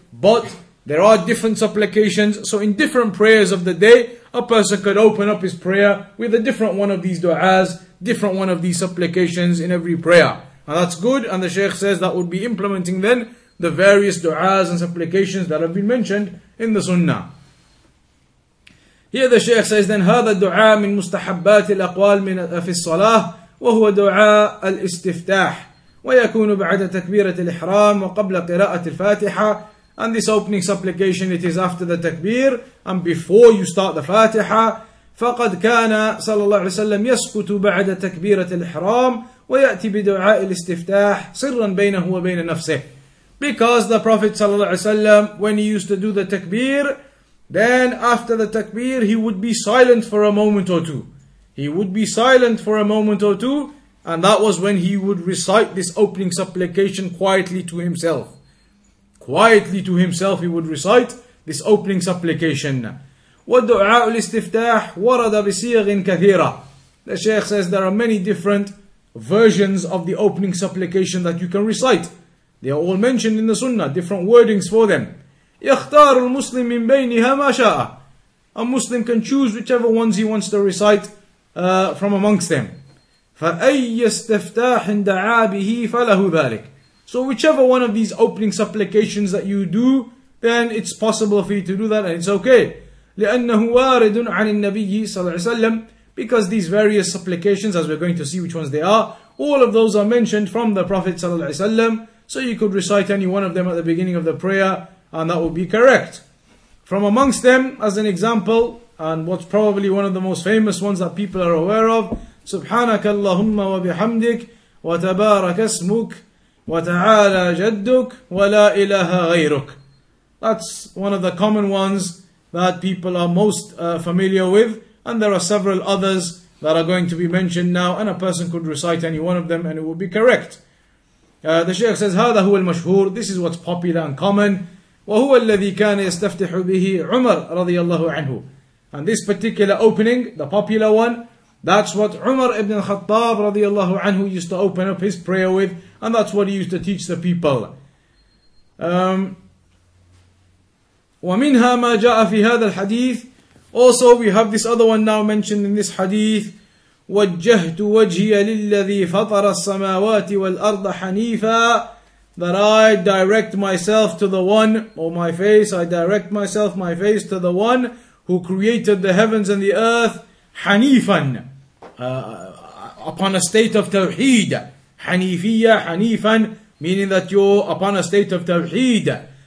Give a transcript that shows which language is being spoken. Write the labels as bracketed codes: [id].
[en] But there are different supplications, so in different prayers of the day, a person could open up his prayer with a different one of these du'as, different one of these supplications in every prayer. And that's good, and the Shaykh says that would be implementing then the various du'as and supplications that have been mentioned in the Sunnah. Here the Shaykh says, then, [ar] هذا الدعاء من مستحبات الأقوال من في الصلاة وهو دعاء الاستفتاح ويكون بعد تكبيرة الإحرام وقبل قراءة الفاتحة. [en] And this opening supplication, it is after the takbir and before you start the Fatiha. [ar] فقد كان صلى الله عليه وسلم يسكت بعد تكبيرة الإحرام ويأتي بدعاء الاستفتاح سرا بينه وبين نفسه. [en] Because the Prophet [ar] صلى الله عليه وسلم, [en] when he used to do the takbir, then after the takbir, he would be silent for a moment or two. He would be silent for a moment or two, and that was when he would recite this opening supplication quietly to himself. Quietly to himself, he would recite this opening supplication. [ar] وَالدُعَاءُ الْإِسْتِفْتَاحِ وَرَدَ بِسِيَغٍ كَثِيرًا. [en] The Shaykh says there are many different versions of the opening supplication that you can recite. They are all mentioned in the Sunnah, different wordings for them. [ar] يختار المسلم من بينها ما شاء. [en] A Muslim can choose whichever ones he wants to recite from amongst them. [ar] فأي استفتاح دعا به فله ذلك. [en] So whichever one of these opening supplications that you do, then it's possible for you to do that and it's okay. [ar] لأنه وارد عن النبي صلى الله عليه وسلم. [en] Because these various supplications, as we're going to see which ones they are, all of those are mentioned from the Prophet [ar] صلى الله عليه وسلم. [en] So you could recite any one of them at the beginning of the prayer, and that would be correct. From amongst them, as an example, and what's probably one of the most famous ones that people are aware of, [ar] سُبْحَانَكَ اللَّهُمَّ وَبِحَمْدِكَ وَتَبَارَكَ اسْمُكَ وَتَعَالَى جَدُّكَ وَلَا إِلَهَ غَيْرُكَ. [en] That's one of the common ones that people are most familiar with, and there are several others that are going to be mentioned now, and a person could recite any one of them, and it would be correct. The Shaykh says, [ar] هذا هو المشهور. [en] This is what's popular and common. [ar] وهو الذي كان يستفتح به عمر رضي الله عنه. [en] And this particular opening, the popular one, that's what عمر ابن الخطاب [ar] رضي الله عنه [en] used to open up his prayer with, and that's what he used to teach the people. [ar] ومنها ما جاء في هذا الحديث. [en] Also we have this other one now mentioned in this hadith. [ar] وجهت وجهي للذي فطر السماوات والأرض حنيفا. [en] That I direct myself to the one, or my face, I direct myself, my face to the one who created the heavens and the earth, Hanifan, upon a state of Tawheed. Hanifiyya, Hanifan, meaning that you're upon a state of Tawheed.